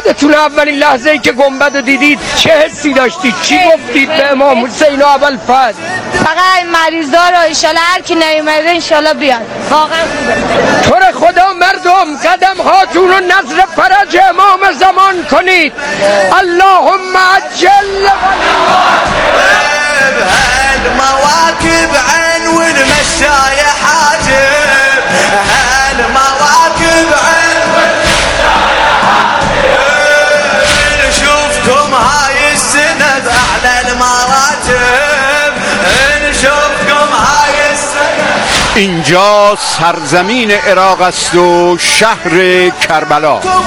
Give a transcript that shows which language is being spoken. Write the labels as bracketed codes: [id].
[fa] یادتونه اولین لحظه ای که گنبد رو دیدید چه حسی داشتید؟ چی گفتید به امام حسین و ابوالفضل؟ فقط مریضا رو انشالله، هر کی نیومده انشالله بیاد. واقعا تو رو خدا مردم، قدم هاتون رو نظر فرج امام زمان کنید. [ar] اللهم عجل المواكب، هل مواكب عين والمشى يا حاجب، هل مواكب عين والمشى يا حاجب. نشوفكم هاي السنة بأعلى المراتب، نشوفكم هاي السنة. [fa] انجا سرزمین عراق است و شهر کربلا.